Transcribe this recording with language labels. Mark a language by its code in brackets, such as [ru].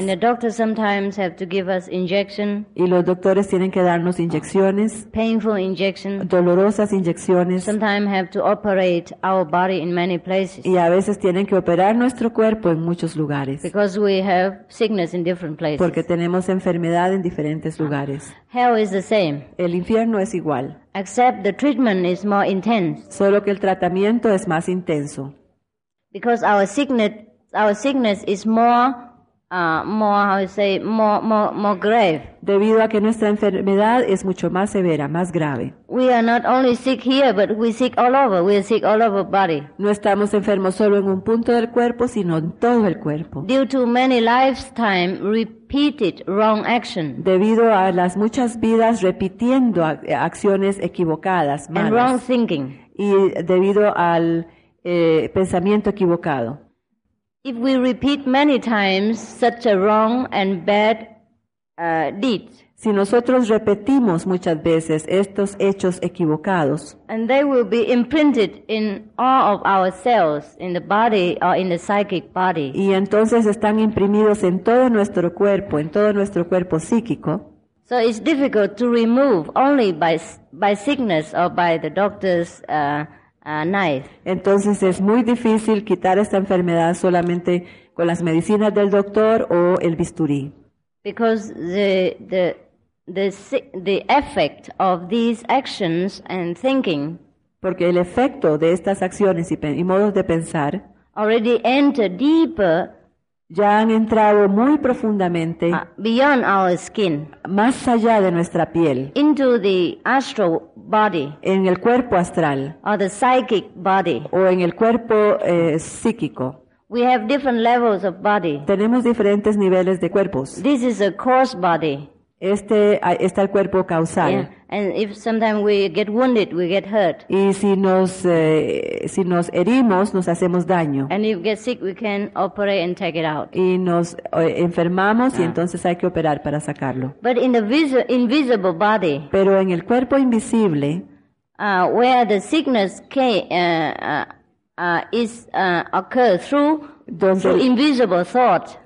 [en] And the doctors sometimes have to give us injection. [es] Y los doctores tienen que darnos inyecciones. [en] Painful injections. [es] Dolorosas inyecciones. [en] Sometimes have to operate our body in many places. [es] Y a veces tienen que operar nuestro cuerpo en muchos lugares. [en] Because we have sickness in different places. [es] Porque tenemos enfermedad en diferentes lugares. [en] Hell is the same. [es] El infierno es igual. [en] Except the treatment is more intense. [es] Solo que el tratamiento es más intenso. [en] Because our sickness is more grave. [es] Debido a que nuestra enfermedad es mucho más severa, más grave. [en] We are not only sick here, but we're sick all over. We're sick all over body. [es] No estamos enfermos solo en un punto del cuerpo, sino en todo el cuerpo. [en] Due to many lifetime repeated wrong action. [es] Debido a las muchas vidas repitiendo acciones equivocadas, malas. [en] And wrong thinking. [es] Y debido al pensamiento equivocado. [en] If we repeat many times such a wrong and bad deed, [es] si nosotros repetimos muchas veces estos hechos equivocados, [en] and they will be imprinted in all of our cells, in the body or in the psychic body. [es] Y entonces están imprimidos en todo nuestro cuerpo, psíquico. [en] So it's difficult to remove only by sickness or by the doctor's knife. [es] Entonces es muy difícil quitar esta enfermedad solamente con las medicinas del doctor o el bisturí. [en] Because the effect of these actions and thinking, [es] porque el efecto de estas acciones y modos de pensar [en] already enter deeper [es] Ya han entrado muy profundamente, [en] beyond our skin, [es] más allá de nuestra piel, [en] into the astral body, [es] en el cuerpo astral, [en] or the psychic body, [es] o en el cuerpo psíquico. [en] We have different levels of body. [es] Tenemos diferentes niveles de cuerpos. [en] This is a coarse body. [es] Este está el cuerpo causal. Yeah. [en] And if sometimes we get wounded, we get hurt. [es] Y si nos herimos, nos hacemos daño. [en] And if we get sick, we can operate and take it out. [es] Y nos enfermamos y entonces hay que operar para sacarlo. [en] But in the invisible body. [es] Pero en el cuerpo invisible, [en] where the sickness occur through invisible thought.